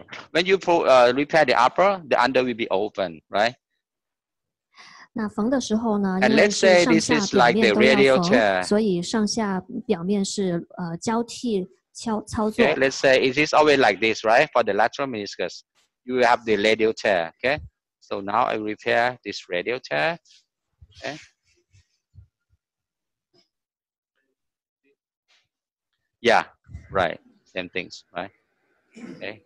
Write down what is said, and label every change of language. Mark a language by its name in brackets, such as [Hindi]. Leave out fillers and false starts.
[English] When you pull, repair the upper, the under will be open, right? [Chinese] 那缝的时候呢, [English] and let's say this is like the radial tear. [Chinese] 所以上下表面是, 交替操作。 [English] Okay, let's say it is always like this, right? For the lateral meniscus, you have the radial tear, okay? So now I repair this radial tear. Okay. Yeah, right. Same things, right? Okay.